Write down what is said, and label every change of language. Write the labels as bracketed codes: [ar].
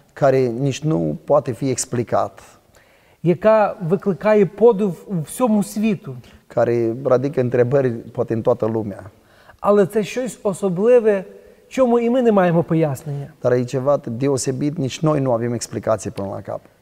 [ro] Care nici nu poate fi explicat. [uk] Яка викликає подив у всьому світу. [ro] Care ridică întrebări poate în toată lumea. [uk] Але це щось особливе, чому і ми не маємо пояснення. [ro] Dar e ceva deosebit, nici noi nu avem explicație până la cap.